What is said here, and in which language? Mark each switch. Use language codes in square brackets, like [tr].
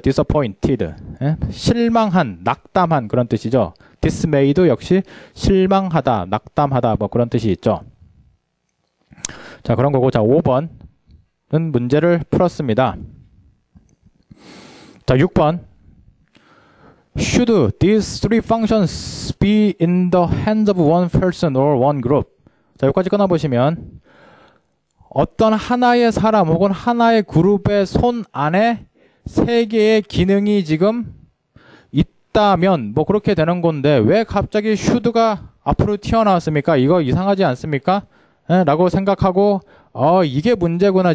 [ko] disappointed. 예? 실망한, 낙담한 그런 뜻이죠. dismayed도 역시 실망하다, 낙담하다, 뭐 그런 뜻이 있죠. 자, 그런 거고, 자, 5번은 문제를 풀었습니다. 자, 6번. [en] Should these three functions be in the hands of one person or one group? [ko] 자, 여기까지 끊어보시면 어떤 하나의 사람 혹은 하나의 그룹의 손 안에 세 개의 기능이 지금 있다면, 뭐 그렇게 되는 건데, 왜 갑자기 슈드가 앞으로 튀어나왔습니까? 이거 이상하지 않습니까? 에? 라고 생각하고, 이게 문제구나.